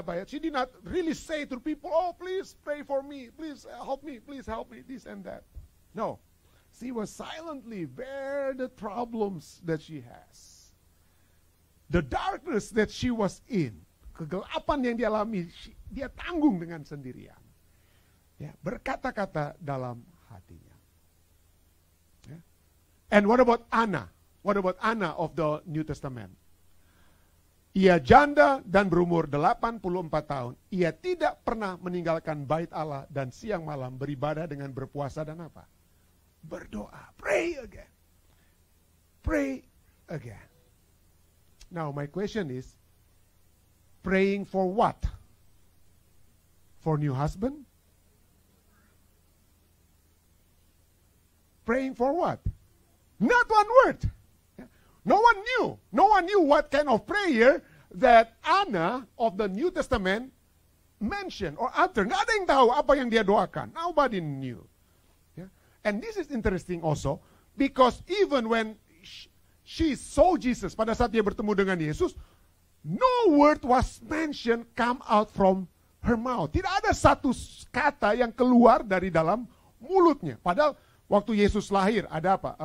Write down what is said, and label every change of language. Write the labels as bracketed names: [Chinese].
[English] She did not really say to people, oh, please pray for me. Please help me. Please help me. This and that. No. She was silently bear the problems that she has. The darkness that she was in. [Indonesian] Kegelapan yang dialami. Dia tanggung dengan sendirian. Ya, berkata-kata dalam hatinya. Ya. [English] And what about Anna? What about Anna of the New Testament? [Indonesian] Ia janda dan berumur 84 tahun. Ia tidak pernah meninggalkan bait Allah dan siang malam beribadah dengan berpuasa dan apa? Berdoa. [English] Pray again. Pray again. Now my question is, praying for what? For new husband? Praying for what? Not one word. No one knew. No one knew what kind of prayer that Anna of the New Testament mentioned or uttered. [Indonesian] Nggak ada yang tahu apa yang dia doakan. [English] Nobody knew. Yeah. And this is interesting also, because even when she saw Jesus, [Indonesian] pada saat dia bertemu dengan Yesus, [English] no word was mentioned come out from her mouth. [Indonesian] Tidak ada satu kata yang keluar dari dalam mulutnya. Padahal waktu Yesus lahir, ada apa?